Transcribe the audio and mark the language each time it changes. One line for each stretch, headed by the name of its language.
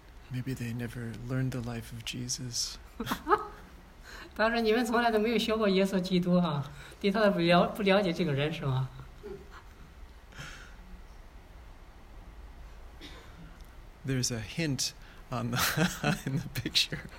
English: Maybe they never learned the life of Jesus.
Chinese: 当时你们从来都没有学过耶稣基督，对他不了解这个人是吗？
English: There's a hint on the in the picture.